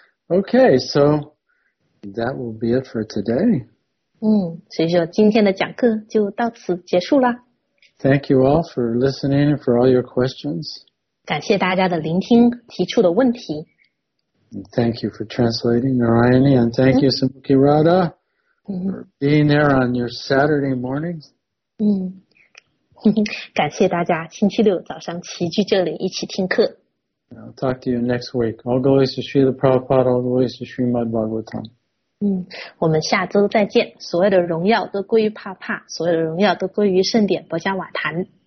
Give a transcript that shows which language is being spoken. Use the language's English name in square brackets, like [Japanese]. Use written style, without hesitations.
[English] Okay, so that will be it for today. [Chinese] 所以说今天的讲课就到此结束了。 [English] Thank you all for listening and for all your questions. [Chinese] 感谢大家的聆听提出的问题。 [English] Thank you for translating, Narayani, and thank you, Sumukhi Radha, for being there on your Saturday mornings. [Chinese] 感谢大家星期六早上齐聚这里一起听课。 [English] I'll talk to you next week. All glories to Srila Prabhupada, all glories to Srimad Bhagavatam. [Chinese] 我们下周再见。所有的荣耀都归于帕帕，所有的荣耀都归于圣典博迦瓦坛。